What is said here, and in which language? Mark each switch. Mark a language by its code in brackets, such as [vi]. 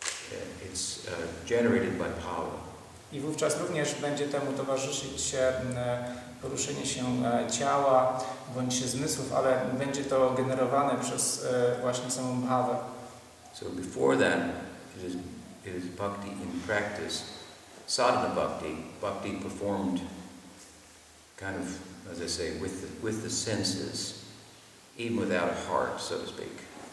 [en] But it's generated by bhava. [pl] I wówczas również będzie temu towarzyszyć poruszenie się ciała bądź się zmysłów, ale będzie to generowane przez właśnie samą bhavę. [en] So before that, it is bhakti in practice, sadhana bhakti, bhakti performed kind of, as I say, with the senses, even without a heart, so to speak.